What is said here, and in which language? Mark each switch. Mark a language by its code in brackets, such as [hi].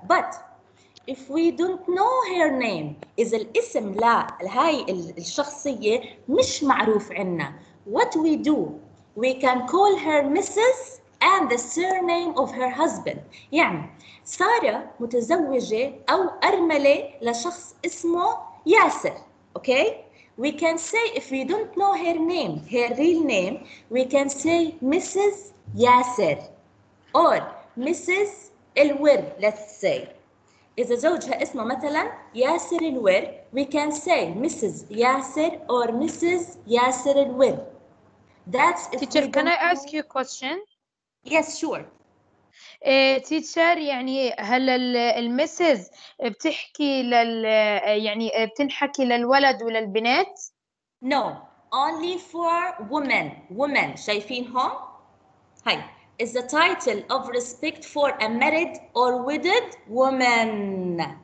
[en] But if we don't know her name, [ar] إذا الاسم لا, هاي الشخصية مش معروف عنا. [en] What we do? We can call her Mrs. and the surname of her husband. [ar] يعني سارة متزوجة أو أرملة لشخص اسمه ياسر. [en] Okay? We can say, if we don't know her name, her real name, we can say Mrs. ياسر. Or Mrs. الور, let's say. [ar] إذا زوجها اسمه مثلا ياسر الور, [en] we can say Mrs. ياسر or Mrs. ياسر الور. That's if Teacher, can I ask you a question? Yes, sure. [ar] تيتشر يعني هل المسز بتحكي لل يعني بتنحكي للولد وللبنات؟ [en] No, only for women. Women, [ar] شايفينهم؟ [en] هاي is the title of respect for a married or widowed woman.